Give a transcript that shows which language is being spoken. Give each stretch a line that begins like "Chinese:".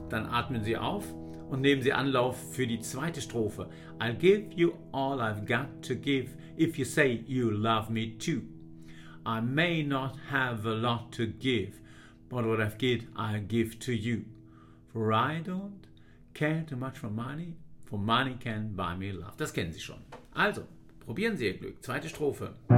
German: Atmen Sie auf und nehmen Sie Anlauf für die zweite Strophe.
English: I'll give you all I've got to give if you say you love me too. I may not have a lot to give, but what I've got, I'll give to you. For I don't care too much for money can buy me love.
German: Das kennen Sie schon. Also, probieren Sie Ihr Glück. Zweite Strophe.